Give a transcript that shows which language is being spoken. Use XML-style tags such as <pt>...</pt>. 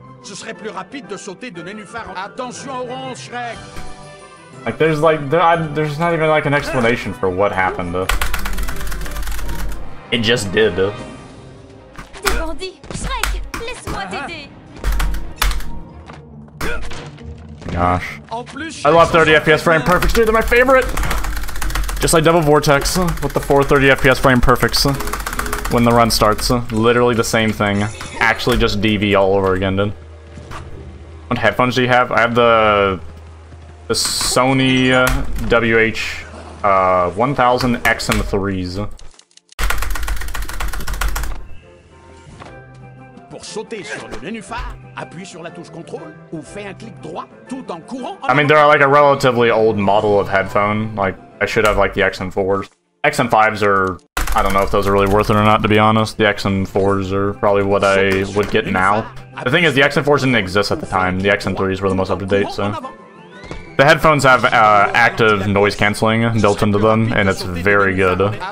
<fr>Ce serait plus rapide de sauter de nénuphar. Attention orange Shrek.</fr> <en>Like there's like there's not even like an explanation for what happened. It just did.</en> <fr>Des bandits. Shrek, laisse-moi t'aider.</fr> <en>Gosh. I love 30 FPS frame perfects, dude. They're my favorite. Just like Double Vortex with the 430 FPS frame perfects. When the run starts, literally the same thing. Actually, just DV all over again, dude. What headphones do you have? I have the Sony WH-1000XM3s.</en> <fr>Pour sauter sur le nénuphar, appuie sur la touche contrôle ou fais un clic droit tout en courant.</fr> <en>I mean, they're like a relatively old model of headphone. Like, I should have like the XM4s. XM5s are. I don't know if those are really worth it or not, to be honest. The XM4s are probably what I would get now. The thing is, the XM4s didn't exist at the time. The XM3s were the most up-to-date, so... The headphones have active noise cancelling built into them, and it's very good.</en>